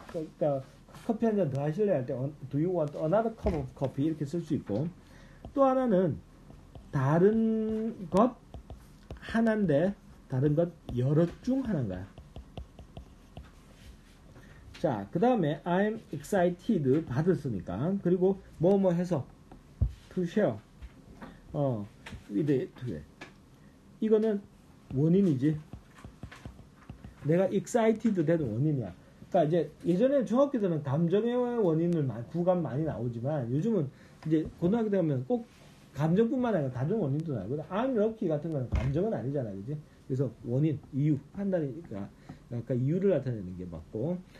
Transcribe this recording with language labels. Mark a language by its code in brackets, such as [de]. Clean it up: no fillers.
[ko] 그러니까 커피 한잔더 하실래 할때 [en] do you want another cup of coffee [ko] 이렇게 쓸수 있고, 또 하나는 다른 것 하나인데 다른 것 여러 중 하나인 거야. 자, 그 다음에 [en] I'm excited [ko] 받았으니까. 그리고 뭐뭐 해서 [en] to share with it. [ko] 이거는 원인이지. 내가 excited 된 원인이야. 그러니까 이제 예전에 중학교 때는 감정의 원인을 구간 많이 나오지만, 요즘은 이제 고등학교 때 가면 꼭 감정뿐만 아니라 다른 원인도 나오거든. [en] I'm lucky [ko] 같은 건 감정은 아니잖아, 그지? 그래서 원인, 이유, 판단이니까 약간 이유를 나타내는 게 맞고.